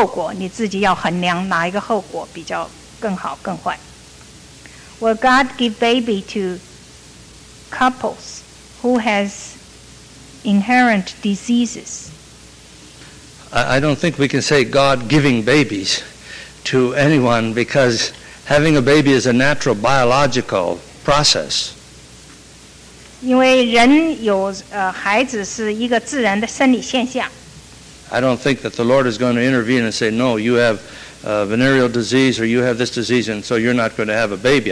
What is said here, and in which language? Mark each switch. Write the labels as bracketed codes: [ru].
[zh] 不管怎么样都会带来不好的后果，你自己要衡量哪一个后果比较。 [en] Will God give baby to couples who has inherent diseases? I don't think we can say God giving babies to anyone, because having a baby is a natural biological process. [zh] 因为人有孩子是一个自然的生理现象。 [en] I don't think that the Lord is going to intervene and say, no, you have venereal disease, or you have this disease, and so you're not going to have a baby.